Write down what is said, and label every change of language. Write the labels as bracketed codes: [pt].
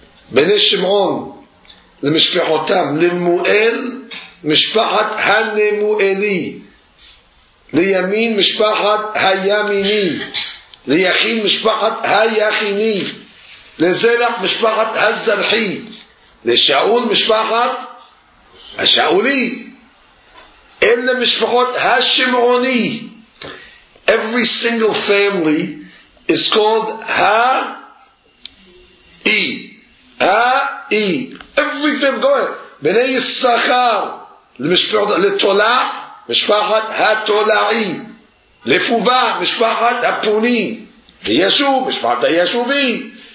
[he] בני שמעון למשפחותם, למואל משפחת הנמואלי, לימין משפחת הימיני, ליחין משפחת היחיני, לזרח משפחת הזרחי, לשאול משפחת השאולי, אלה משפחות השמעוני. [en] Every single family is called ה-אי. ה-אי. Every family, go ahead. [he] בני יששכר, למשפחות, לתולה, משפחת התולעי, לפובה, משפחת הפוני, וישוב, משפחת הישובי.